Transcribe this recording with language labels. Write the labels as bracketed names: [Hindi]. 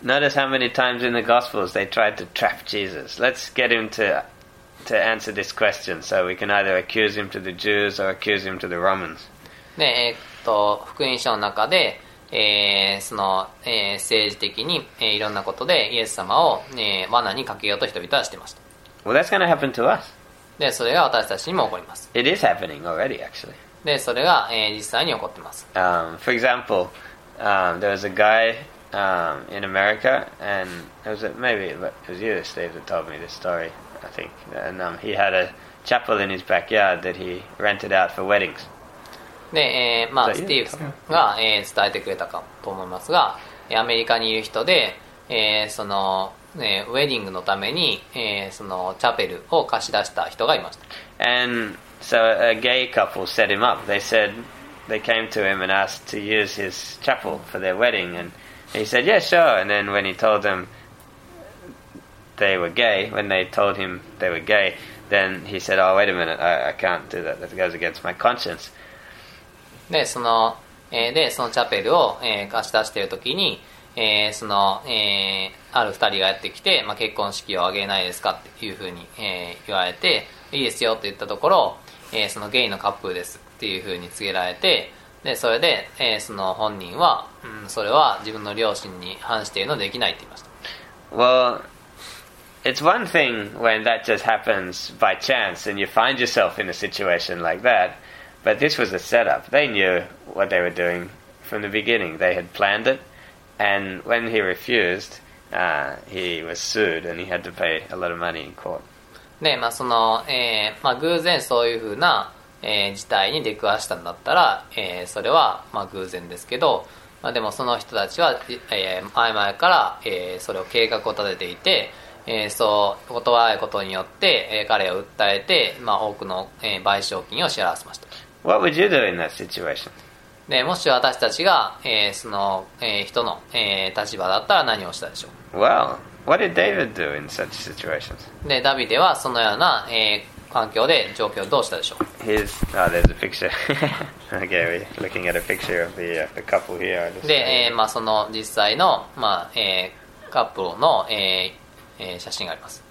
[English] Notice how many times in the Gospels they tried to trap Jesus. Let's get him to answer this question so we can either accuse him to the Jews or accuse him to the Romans. [Japanese] で、福音書の中で、その、政治的に、いろんなことでイエス様を、罠にかけようと人々はしていました。 [English] Well, that's going to happen to us. [Japanese] で、それが私たちにも起こります。 [English] It is happening already, actually. [Japanese] で、それが、実際に起こってます。 [English] For example, there was a guy, in America, and it was you, Steve, that told me this story, I think. And, he had a chapel in his backyard that he rented out for weddings. [Japanese] で、まあ、スティーブが、伝えてくれたかと思いますが、アメリカにいる人で、その、ね、ウェディングのために、そのチャペルを貸し出した人がいました。 [English] And so a gay couple set him up. They said they came to him and asked to use his chapel for their wedding. And he said, yeah, sure. And then when he told them they were gay, when they told him they were gay, then he said, oh, wait a minute, I can't do that. That goes against my conscience. [Japanese] で、その、で、そのチャペルを、貸し出しているときに、その、ある二人がやってきて、まあ、結婚式を挙げないですかっていうふうに、言われて、いいですよって言ったところ、そのゲイのカップルですっていうふうに告げられて、で、それで、その本人は、うん、それは自分の良心に反しているのでできないって言いました。 [English] Well, it's one thing when that just happens by chance and you find yourself in a situation like that, but this was a setup. They knew what they were doing from the beginning. They had planned it. And when he refused, he was sued and he had to pay a lot of money in court. [Japanese] で、まあ、その、まあ、偶然そういうふうな、事態に出くわしたんだったら、それは、まあ、偶然ですけど、まあ、でもその人たちは、前々から、それを計画を立てていて、そう断られることによって、彼を訴えて、まあ、多くの、賠償金を支払わせました。 [English] What would you do in that situation? [Japanese] でもし私たちが、その、人の、立場だったら何をしたでしょう。 [English] Well, what did David do in such situations? [Japanese] でダビデはそのような、環境で状況をどうしたでしょう。 [English] His, oh, there's a picture. Okay, we're looking at a picture of the couple here. [Japanese] で、まあ、その実際の、まあカップルの、写真があります。